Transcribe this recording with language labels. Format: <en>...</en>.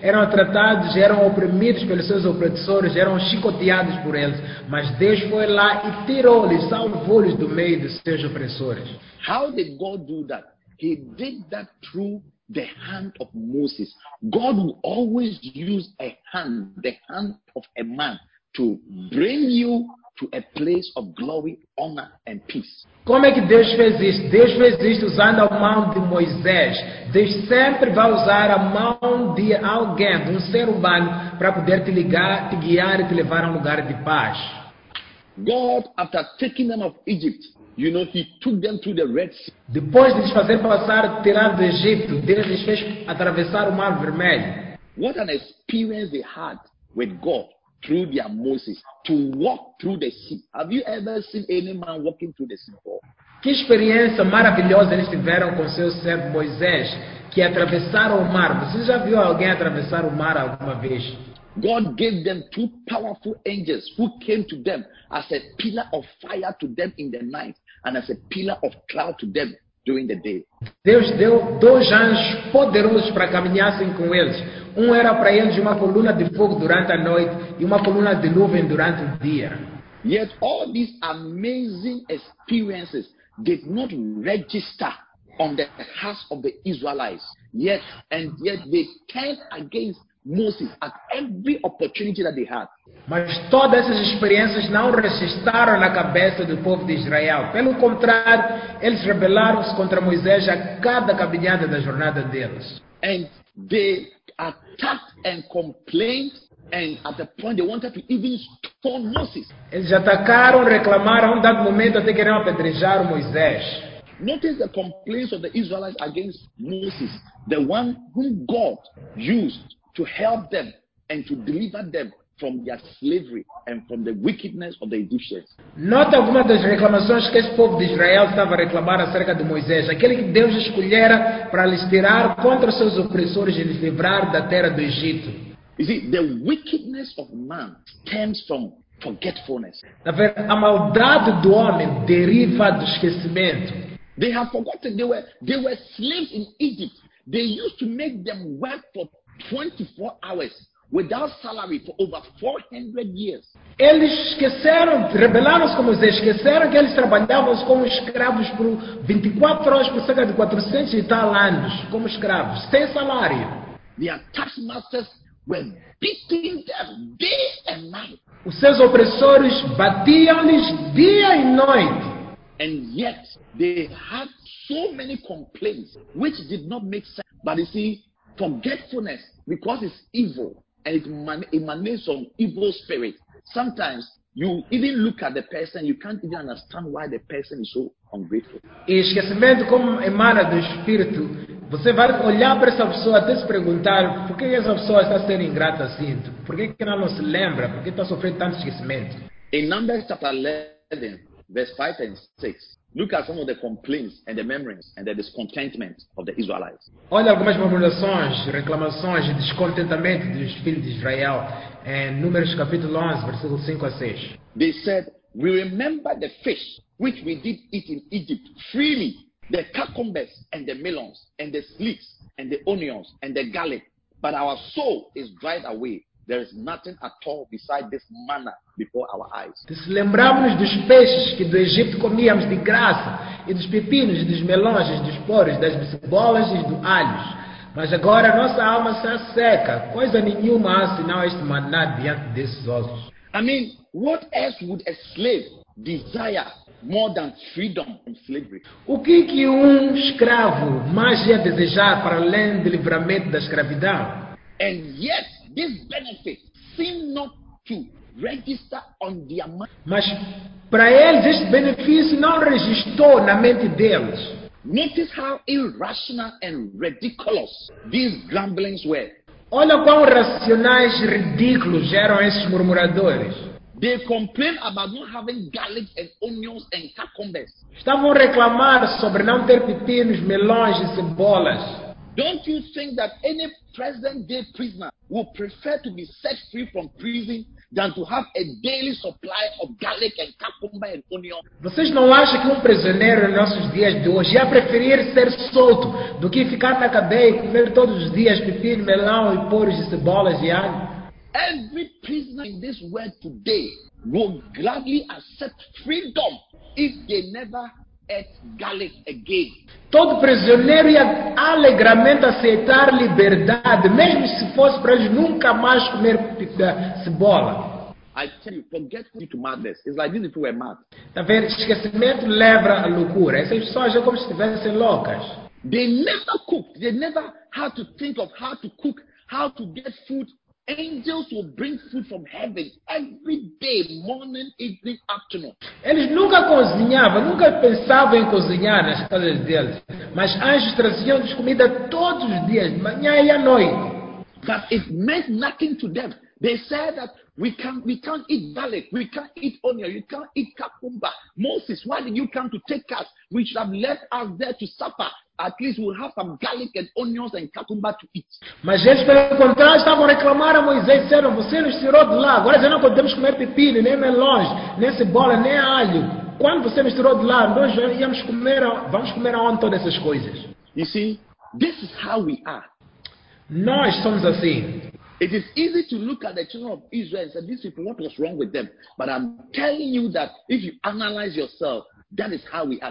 <pt>Eram tratados, eram oprimidos pelos seus opressores, eram chicoteados por eles. Mas Deus foi lá e tirou-lhes, salvou-lhes do meio dos seus opressores.</pt> <en>How did God do that? He did that through the hand of Moses. God will always use a hand, the hand of a man, to bring you to a place of glory, honor, and peace.</en> <pt>Como é que Deus fez isso? Deus fez isso usando a mão de Moisés. Deus sempre vai usar a mão de alguém, de um ser humano, para poder te ligar, te guiar e te levar a um lugar de paz.</pt> <en>God, after taking them of Egypt, you know, he took them through the Red Sea.</en> <pt>Depois de lhes fazer passar, tirar do Egito, Deus lhes fez atravessar o Mar Vermelho.</pt> <en>What an experience they had with God through their Moses to walk through the sea. Have you ever seen any man walking through the sea before?</en> <pt>Que experiência maravilhosa eles tiveram com seu servo Moisés, que atravessaram o mar. Você já viu alguém atravessar o mar alguma vez?</pt> <en>God gave them two powerful angels who came to them as a pillar of fire to them in the night and as a pillar of cloud to them during the day.</en> <pt>Deus deu dois anjos poderosos para caminhassem com eles. Um era para eles uma coluna de fogo durante a noite e uma coluna de nuvem durante o dia.</pt> <en>Yet all these amazing experiences did not register on the hearts of the Israelites. Yet they turned against Moses at every opportunity that they had.</en> <pt>Mas todas essas experiências não resistiram na cabeça do povo de Israel. Pelo contrário, eles rebelaram-se contra Moisés a cada caminhada da jornada deles.</pt> <en>And they attacked and complained, and at the point they wanted to even stone Moses.</en> <pt>Eles atacaram, reclamaram, um dado momento até queriam apedrejar Moisés.</pt> <en>Notice the complaints of the Israelites against Moses, the one whom God used to help them and to deliver them from their slavery and from the wickedness of the Egyptians.</en> <pt>Nota algumas das reclamações que esse povo de Israel estava a reclamar acerca de Moisés, aquele que Deus escolhera para lhes tirar contra seus opressores e lhes livrar da terra do Egito.</pt> <en>You see, the wickedness of man stems from forgetfulness.</en> <pt>A maldade do homem deriva do esquecimento.</pt> <en>They have forgotten. They were slaves in Egypt. They used to make them work for 24 hours without salary for over 400 years.</en> <pt>Eles esqueceram, rebelaram-se como eles esqueceram que eles trabalhavam como escravos por 24 horas por cerca de 400 e tal anos, como escravos, sem salário.</pt> <en>Their taskmasters were beating them day and night.</en> <pt>Os seus opressores batiam-lhes dia e noite.</pt> <en>And yet they had so many complaints which did not make sense. But you see, forgetfulness, because it's evil and it emanates from evil spirit. Sometimes you even look at the person, you can't even understand why the person is so ungrateful.</en> <pt>E esquecimento como emana do espírito, você vai olhar para essa pessoa até se perguntar por que essa pessoa está sendo ingrata assim? Por que ela não se lembra? Por que está sofrendo tanto esquecimento?</pt> <en>In Numbers chapter 11, verse 5 and 6, look at some of the complaints and the memories and the discontentment of the Israelites.</en> <pt>Olha algumas murmurações, reclamações e descontentamento dos filhos de Israel. Em Números capítulo 11, versículo 5 a 6.</pt> <en>They said, we remember the fish which we did eat in Egypt freely, the cucumbers and the melons and the leeks and the onions and the garlic. But our soul is dried away. There is nothing at all beside this manna before our eyes.</en> <pt>Lembramos dos peixes que do Egito comíamos de graça, e dos pepinos, e dos melões, e dos poros, das cebolas e dos alhos. Mas agora nossa alma se seca, coisa nenhuma há senão este maná diante desses ossos.</pt> <en>I mean, what else would a slave desire more than freedom from slavery?</en> <pt>O que que escravo mais ia desejar para além do livramento da escravidão?</pt> <en>And yet, this benefit seemed not to register on their mind.</en> <pt>Mas para eles este benefício não registrou na mente deles.</pt> <en>Notice how irrational and ridiculous these grumblings were.</en> <pt>Olha quão racionais e ridículos eram esses murmuradores.</pt> <en>They complained about not having garlic and onions and cucumbers.</en> <pt>Estavam reclamando sobre não ter pepinos, melões e cebolas.</pt> <en>Don't you think that any present day prisoner would prefer to be set free from prison than to have a daily supply of garlic and cucumber and onion?</en> <pt>Vocês não acham que prisioneiro nos nossos dias de hoje ia preferir ser solto do que ficar na cadeia e comer todos os dias pepino, melão e poros de cebolas e alho?</pt> <en>Every prisoner in this world today will gladly accept freedom if they never ate garlic again.</en> <pt>Todo prisioneiro ia alegremente aceitar liberdade, mesmo se fosse para eles nunca mais comer cebola.</pt> <en>I tell you, forget to madness. It's like this if you were mad.</en> <pt>Tá vendo? Esquecimento leva à loucura. Essas pessoas é como se estivessem loucas.</pt> <en>They never cooked. They never had to think of how to cook, how to get food. Angels will bring food from heaven every day, morning, evening, afternoon.</en> <pt>Eles nunca cozinhavam, nunca pensavam em cozinhar nas casas deles. Mas anjos traziam comida todos os dias, manhã e à noite.</pt> <en>But it meant nothing to them. They said that we can't eat garlic, we can't eat onion, we can't eat cucumber. Moses, why did you come to take us? We should have left us there to suffer. At least we'll have some garlic and onions and cucumber to eat.</en> <pt>Mas eles, pelo contrário, estavam reclamando a Moisés, disseram, você nos tirou de lá, agora já não podemos comer pepino, nem melões, nem cebola, nem alho. Quando você nos tirou de lá, nós íamos comer, vamos comer aonde todas essas coisas?</pt> <en>You see, this is how we are.</en> <pt>Nós somos assim.</pt> <en>It is easy to look at the children of Israel and say, this is what was wrong with them. But I'm telling you that if you analyze yourself, that is how we are.</en>